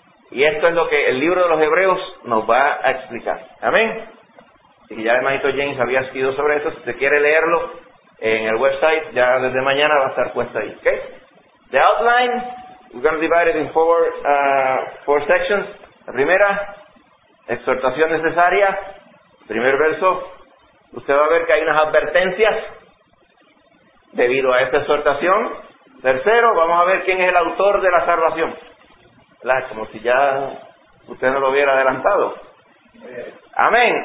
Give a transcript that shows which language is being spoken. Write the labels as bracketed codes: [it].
[es] Y esto es lo que el libro de los Hebreos nos va a explicar. Amén. Y ya el maestro James había escrito sobre esto. Si usted quiere leerlo en el website, ya desde mañana va a estar puesto ahí. ¿Okay? [en] The outline, we're going to divide it in four sections. [es] La primera, exhortación necesaria. Primer verso, usted va a ver que hay unas advertencias. debido a esta exhortación. Tercero, vamos a ver quién es el autor de la salvación. ¿Verdad? Como si ya usted no lo hubiera adelantado. Amén.